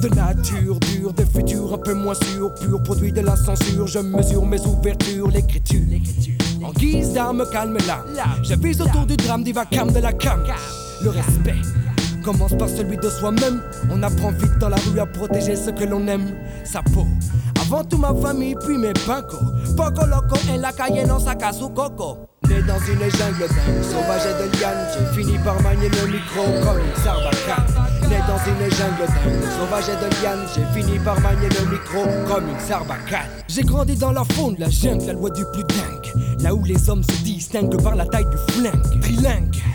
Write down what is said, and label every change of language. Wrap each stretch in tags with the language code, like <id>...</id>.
<fr>De nature dure, de futur un peu moins sûr. Pur produit de la censure, je mesure mes ouvertures. L'écriture, en guise d'arme calme là. Je vise autour du drame, diva calme de la cam. Le respect commence par celui de soi-même. On apprend vite dans la rue à protéger ce que l'on aime. Sa peau, avant tout ma famille, puis mes pincos.</fr> <es>Poco loco en la calle en saca su coco.</es> <fr>Né dans une jungle d'un sauvage et de liane, j'ai fini par manier le micro comme une sarbacane. Né dans une jungle d'un sauvage et de liane, j'ai fini par manier le micro comme une sarbacane. J'ai grandi dans la faune, la jungle, la loi du plus dingue. Là où les hommes se distinguent par la taille du flingue. Trilingue.</fr>